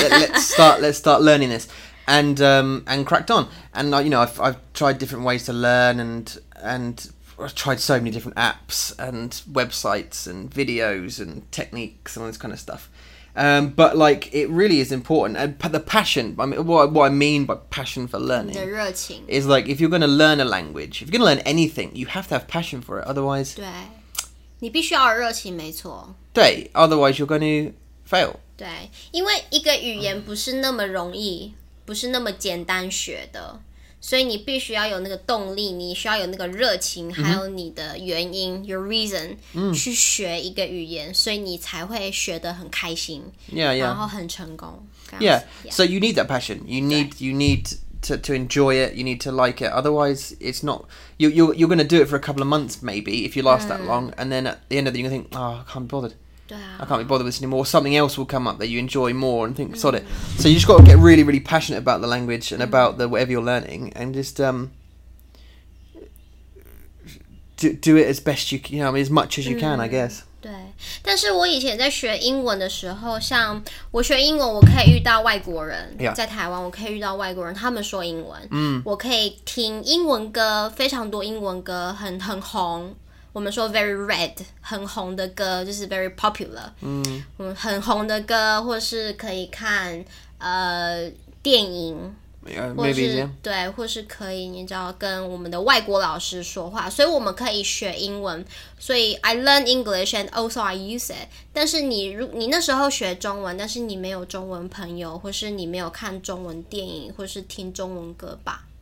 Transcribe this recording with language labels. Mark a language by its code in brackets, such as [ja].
[en] let's start learning this, and cracked on, and you know I've tried different ways to learn, and I've tried so many different apps and websites and videos and techniques and all this kind of stuff, but like it really is important, and the passion. I mean, what I mean by passion for learning [zh] 你的热情 [en] is like if you're going to learn a language, if you're going to learn anything, you have to have passion for it. Otherwise, [zh] 对，你必须要有热情，没错。对 [en] ，otherwise you're going to fail. [zh] 对，因为一个语言不是那么容易，不是那么简单学的，所以你必须要有那个动力，你需要有那个热情，还有你的原因， [en] your reason， [zh] 去学一个语言，所以你才会学得很开心 [en] ，yeah, yeah. [zh] 然后很成功。 [en] Yeah, so you need that passion. You need to enjoy it. You need to like it. Otherwise, it's not. You're going to do it for a couple of months, maybe, if you last that long. And then at the end of it, you're going to think, oh, I can't be bothered. I can't be bothered with this anymore. Something else will come up that you enjoy more and think, sod it. So you just got to get really, really passionate about the language and about the whatever you're learning and just do it as best you can, you know, as much as you can, I guess. [zh] 对，但是我以前在学英文的时候，像我学英文，我可以遇到外国人， [en] yeah. [zh] 在台湾我可以遇到外国人，他们说英文， mm. 我可以听英文歌，非常多英文歌，很红，我们说 [en] very red， [zh] 很红的歌，就是 [en] very popular，嗯， [zh] 很红的歌，或是可以看电影。 [en] Maybe, [zh] 或是 [en] yeah. [zh] 对，或是可以，你知道，跟我们的外国老师说话，所以我们可以学英文。所以 [en] I learn English and also I use it. [zh] 但是你那时候学中文，但是你没有中文朋友，或是你没有看中文电影，或是听中文歌吧？